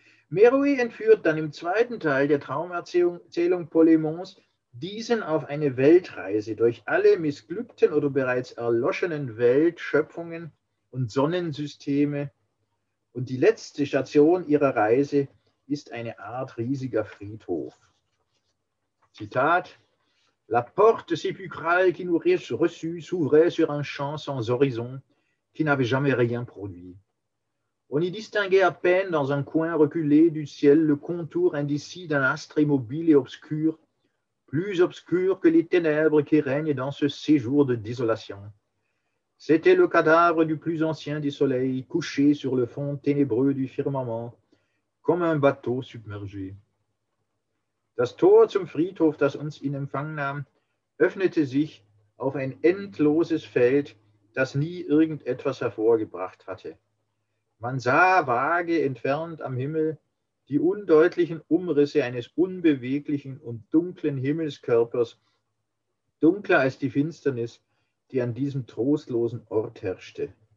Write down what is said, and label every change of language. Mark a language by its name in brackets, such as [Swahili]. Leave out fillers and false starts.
[German] Meroe entführt dann im zweiten Teil der Traumerzählung Polemons diesen auf eine Weltreise durch alle missglückten oder bereits erloschenen Weltschöpfungen und Sonnensysteme. Und die letzte Station ihrer Reise ist eine Art riesiger Friedhof. [French] Zitat: La porte sépulcrale qui nous reçut s'ouvrait sur un champ sans horizon qui n'avait jamais rien produit. On y distinguait à peine dans un coin reculé du ciel le contour indécis d'un astre immobile et obscur, plus obscur que les ténèbres qui règnent dans ce séjour de désolation. C'était le cadavre du plus ancien des soleils, couché sur le fond ténébreux du firmament, comme un bateau submergé. [German] Das Tor zum Friedhof, das uns in Empfang nahm, öffnete sich auf ein endloses Feld, das nie irgendetwas hervorgebracht hatte. Man sah vage entfernt am Himmel die undeutlichen Umrisse eines unbeweglichen und dunklen Himmelskörpers, dunkler als die Finsternis, die an diesem trostlosen Ort herrschte.